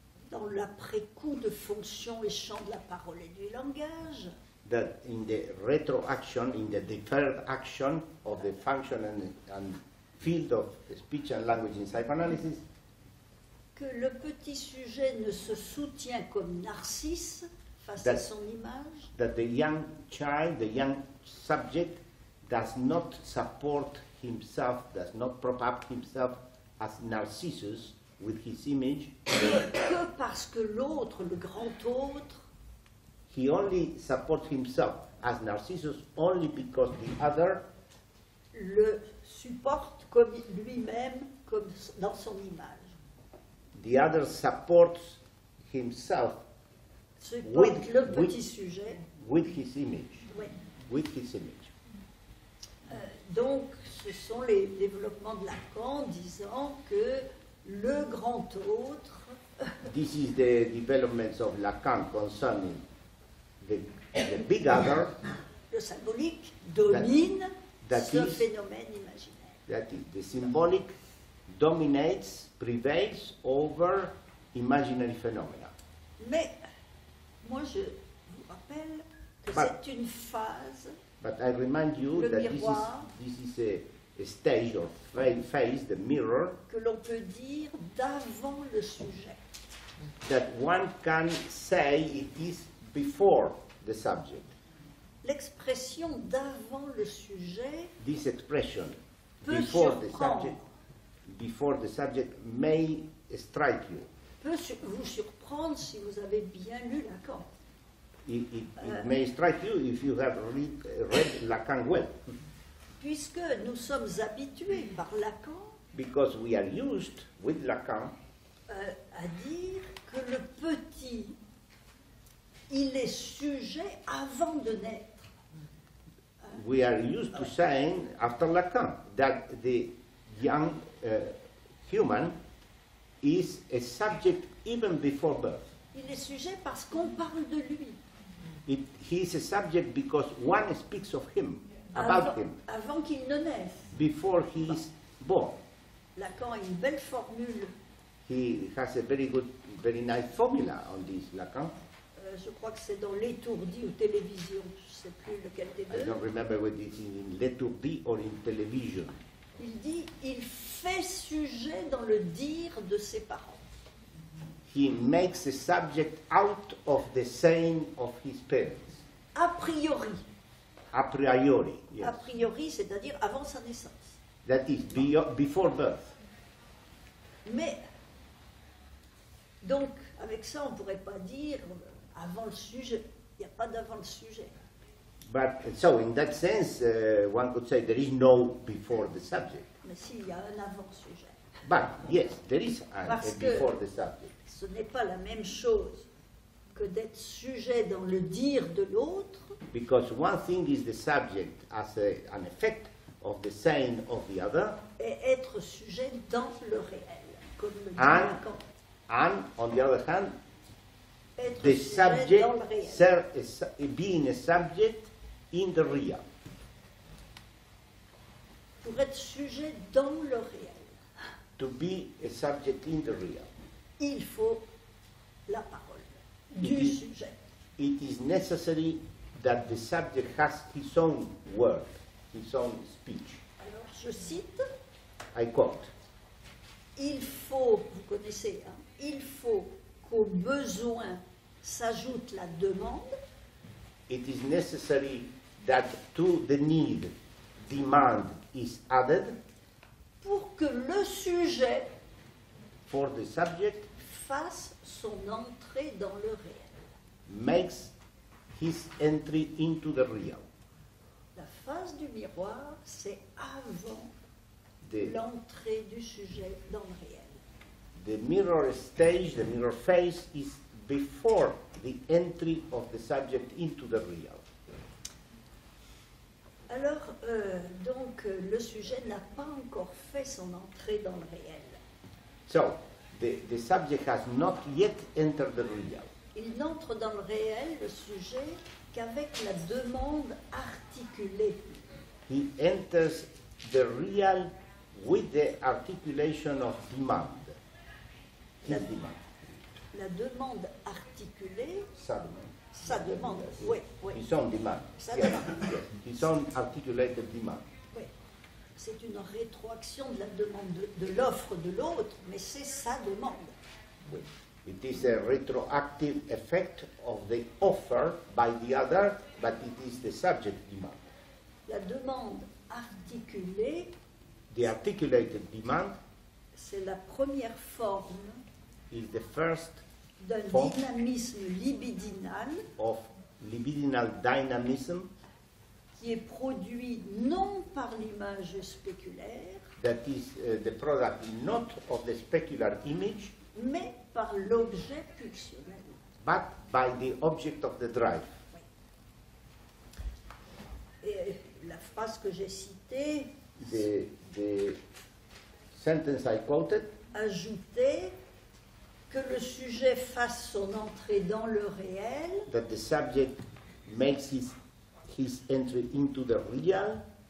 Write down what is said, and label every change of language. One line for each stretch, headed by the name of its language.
French: dans l'après-coup de fonction et champ de la parole et du langage,
English: that in the retroaction, in the deferred action of the function and field of speech and language in psychoanalysis,
French: que le petit sujet ne se soutient comme Narcisse.
English: That,
French: son image.
English: That the young child, the young subject, does not support himself, does not prop up himself as Narcissus with his image.
French: Que parce que l'autre, le grand autre,
English: he only supports himself as Narcissus only because the other
French: le supporte comme lui-même comme dans son image.
English: The other supports himself. With
French: le petit
English: with,
French: sujet.
English: With his image.
French: Ouais.
English: With his image.
French: Donc, ce sont les développements de Lacan disant que le grand autre.
English: This is the developments of Lacan concerning the big other.
French: Le symbolique domine ce phénomène imaginaire.
English: That is, the symbolic dominates, prevails over imaginary phenomena.
French: Mais moi, je vous rappelle que
English: but,
French: c'est une phase.
English: But I remind you that
French: miroir,
English: this is a stage or phase, the mirror.
French: Que l'on peut dire d'avant le sujet.
English: That one can say it is before the subject.
French: L'expression d'avant le sujet.
English: This expression before the subject may strike you.
French: Peut vous surprendre si vous avez bien lu Lacan.
English: It may strike you if you have read Lacan well.
French: Puisque nous sommes habitués par Lacan.
English: Because we are used with Lacan.
French: À dire que le petit, il est sujet avant de naître.
English: We are used to saying, after Lacan, that the young human is a subject even before birth.
French: Il est sujet parce qu'on parle de lui.
English: He is a subject because one speaks of him, about him.
French: Avant qu'il ne naisse.
English: Before he is born.
French: Lacan a une belle formule.
English: He has a very good, very nice formula on this, Lacan.
French: Je crois que c'est dans L'Étourdi ou Télévision, je ne sais plus lequel des deux.
English: I don't remember whether it's in L'Étourdi or in Télévision.
French: Il dit, il fait sujet dans le dire de ses parents.
English: He makes a subject out of the saying of his parents.
French: A priori.
English: A priori, yes.
French: A priori, c'est-à-dire avant sa naissance.
English: That is, before birth.
French: Mais... Donc, avec ça, on ne pourrait pas dire avant le sujet. Il n'y a pas d'avant le sujet.
English: But, so, in that sense, one could say there is no before the subject.
French: Mais si, il y a un avant le sujet.
English: But, yes, there is a before the subject.
French: Parce que ce n'est pas la même chose que d'être sujet dans le dire de l'autre.
English: Because one thing is the subject as an effect of the saying of the other.
French: Et être sujet dans le réel, comme le dit Lacan.
English: And, on the other hand,
French: être
English: the subject being a subject in the real.
French: Pour être sujet dans le réel.
English: To be a subject in the real.
French: Il faut la parole sujet.
English: It is necessary that the subject has his own word, his own speech.
French: Alors, je cite.
English: I quote.
French: Il faut, vous connaissez, hein? Il faut qu'au besoin s'ajoute la demande.
English: It is necessary that to the need, demand is added.
French: Pour que le sujet
English: for the subject
French: fasse son entrée dans le réel.
English: Makes his entry into the real.
French: La face du miroir, c'est avant l'entrée du sujet dans le réel.
English: The mirror stage, the mirror face, is before the entry of the subject into the real.
French: Alors, donc, le sujet n'a pas encore fait son entrée dans le réel.
English: So, the subject has not yet entered the real.
French: Il n'entre dans le réel, le sujet, qu'avec la demande articulée.
English: He enters the real with the articulation of demand.
French: La demande articulée. Sa demande. Oui, oui.
English: His own demand.
French: Sa demande.
English: His own articulated demand.
French: Oui. C'est une rétroaction de la demande de l'offre de l'autre, mais c'est sa demande. Oui.
English: It is a retroactive effect of the offer by the other, but it is the subject demand.
French: La demande articulée.
English: The articulated demand.
French: C'est la première forme.
English: Is the first
French: d'un
English: form
French: dynamisme libidinal,
English: of libidinal dynamism
French: qui est produit non par l'image spéculaire,
English: that is the product not of the specular image,
French: mais par l'objet pulsionnel,
English: but by the object of the drive.
French: Oui. Et la phrase que j'ai citée,
English: the sentence I quoted,
French: ajoutée, que le sujet fasse son entrée dans le réel.
English: That the subject makes his entry into the real.